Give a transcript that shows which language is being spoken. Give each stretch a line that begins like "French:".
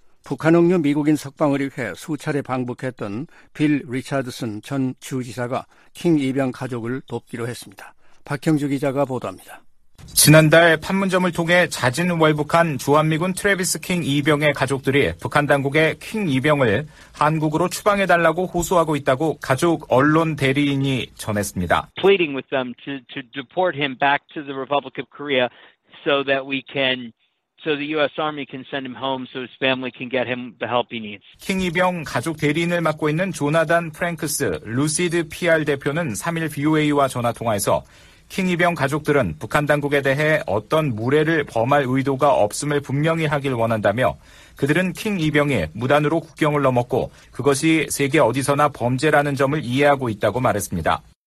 Korean: 북한 억류 미국인 석방을 위해 수차례 방북했던 빌 리차드슨 전 주지사가 킹 이병 가족을 돕기로 했습니다. 박형주 기자가 보도합니다. 지난달 판문점을 통해 자진 월북한 주한미군 트래비스 킹 이병의 가족들이 북한 당국에 킹 이병을 한국으로 추방해달라고 호소하고 있다고 가족 언론 대리인이 전했습니다.
English: Pleading with them to deport him back to the Republic of Korea so that we can so the U.S. Army can send him home so his family can get him the help he needs.
Korean: 킹 이병 가족 대리인을 맡고 있는 조나단 프랭크스 루시드 PR 대표는 3일 VOA와 전화 통화에서. 킹 이병 가족들은 북한 당국에 대해 어떤 무례를 범할 의도가 없음을 분명히 하길 원한다며 그들은 킹 이병이 무단으로 국경을 넘었고 그것이 세계 어디서나 범죄라는 점을 이해하고 있다고 말했습니다.